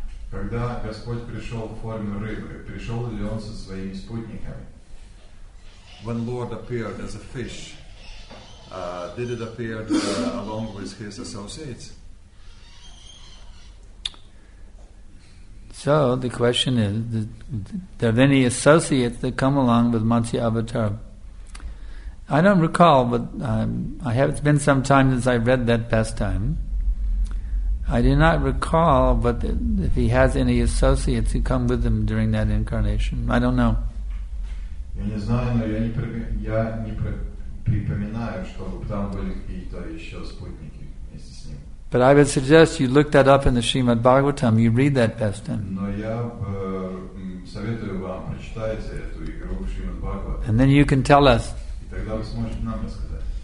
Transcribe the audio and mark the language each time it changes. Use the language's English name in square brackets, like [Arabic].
[Russian] Когда Господь пришел в форме рыбы, пришел ли Он со своими спутниками? [English] When Lord appeared as a fish, did it appear along with His associates? So, the question is, are there any associates that come along with Matsya Avatar? I don't recall, but it's been some time since I read that pastime. I do not recall, but if he has any associates who come with him during that incarnation, I don't know. [Russian] Я не знаю, но я не припоминаю, чтобы там были какие-то еще спутники вместе с ним. [English] But I would suggest you look that up in the Srimad Bhagavatam. You read that pastime. [Russian] Но я советую вам прочитать эту игру в Srimad Bhagavatam. [English] And then you can tell us. [Russian] И тогда вы сможете нам рассказать.